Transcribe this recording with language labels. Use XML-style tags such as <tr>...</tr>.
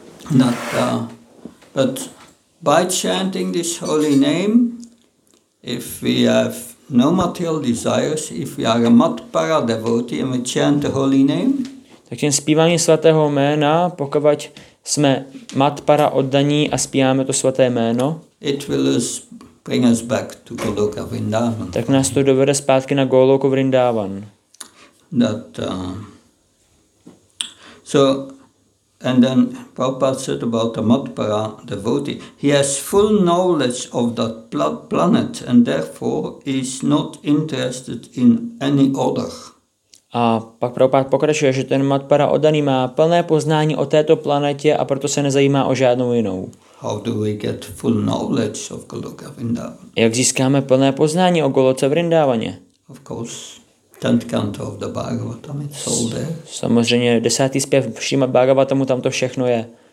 <en>Natta. But by chanting this holy name, if we have no material desires, if we are a matpara devotee and we chant the holy name,</en> <cs>tak tím zpívání svatého jména, pokud jsme matpara oddaní a zpíváme to svaté jméno,</cs> <en>it will bring us back to Goloka Vrindavan.</en> <cs>Tak nás to dovede zpátky na Goloku Vrindavan.</cs> <en>That, so, and then Prabhupada said about the matpara devotee. He has full knowledge of that planet and therefore is not interested in any other.</en> <cs>A pak Prabhupada pokračuje, že ten matpara oddaný má plné poznání o této planetě a proto se nezajímá o žádnou jinou.</cs> <en>How do we get full knowledge of Goloka Vrindavan?</en> <cs>Jak získáme plné poznání o Goloce Vrindavaně?</cs> <en>Of course. 10th canto of the Bhagavatam, it's all there.</en> <cs>Samozřejmě, desátý zpěv Šrímad Bhagavatamu, tam to všechno je.</cs>